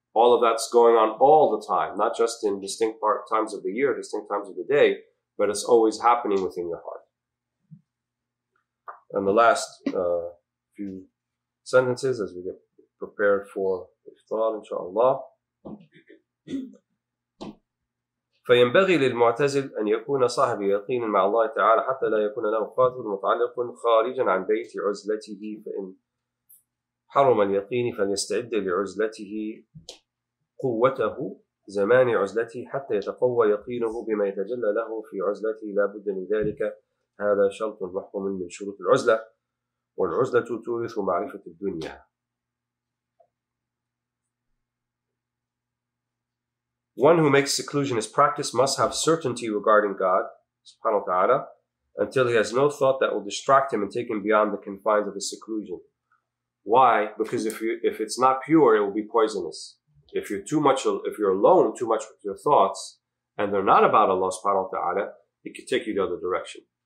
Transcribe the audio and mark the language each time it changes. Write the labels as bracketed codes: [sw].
[en] All of that's going on all the time, not just in distinct times of the year, distinct times of the day, but it's always happening within your heart. And the last few sentences as we get prepared for iftar, inshallah. [ar] فينبغي للمعتزل أن يكون صاحب يقين مع الله تعالى حتى لا يكون له خاطر متعلق خارجا عن بيت عزلته فإن حرم اليقين فليستعد لعزلته قوته زمان عزلته حتى يتقوى يقينه بما يتجلى له في عزلته لا بد من ذلك هذا شرط محكم من شروط العزلة والعزلة تورث معرفة الدنيا. [en] One who makes seclusion his practice must have certainty regarding God, subhanahu wa ta'ala, until he has no thought that will distract him and take him beyond the confines of his seclusion. Why? Because if it's not pure, it will be poisonous. If you're alone too much with your thoughts, and they're not about Allah subhanahu wa ta'ala, it could take you the other direction.